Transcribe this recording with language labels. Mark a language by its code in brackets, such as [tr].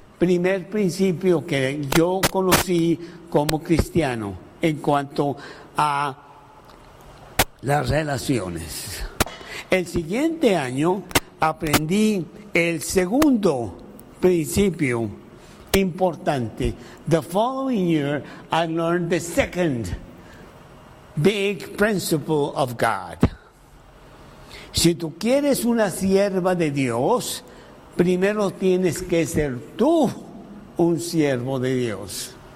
[es] Primer principio que yo conocí como cristiano en cuanto a las relaciones. El siguiente año aprendí el segundo principio importante. [en] The following year I learned the second big principle of God. [es] Si tú quieres una sierva de Dios, primero tienes que ser tú un siervo de Dios.